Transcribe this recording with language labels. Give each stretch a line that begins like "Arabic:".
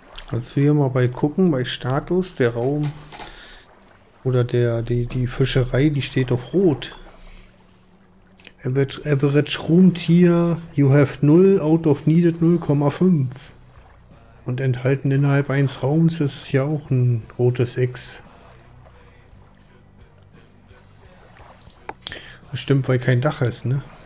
German: Also hier mal bei gucken, bei Status, der Raum oder die Fischerei, die steht auf rot.
English: Average Room Tier, you have 0, out of needed 0,5.
German: Und enthalten innerhalb eines Raums ist ja auch ein rotes X. Das stimmt, weil kein Dach ist, ne?